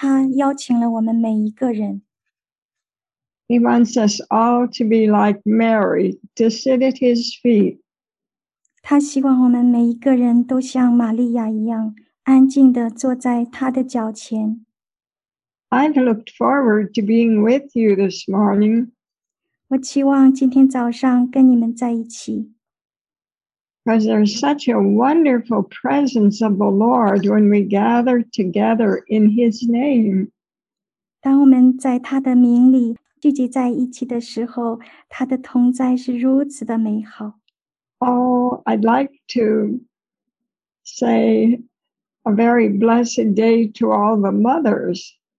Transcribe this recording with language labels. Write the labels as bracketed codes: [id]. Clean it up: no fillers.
[zh] 不管我们是在哪里，不管我们是谁，他邀请了我们每一个人。 [en] He wants us all to be like Mary, to sit at his feet. [zh] 他希望我们每一个人都像玛利亚一样，安静地坐在他的脚前。 [en] I've looked forward to being with you this morning. [zh] 我期望今天早上跟你们在一起。 [en] Because there's such a wonderful presence of the Lord when we gather together in his name. [zh] 当我们在他的名里。聚集在一起的时候，他的同在是如此的美好。Oh, [en] I'd like to say a very blessed day to all the mothers.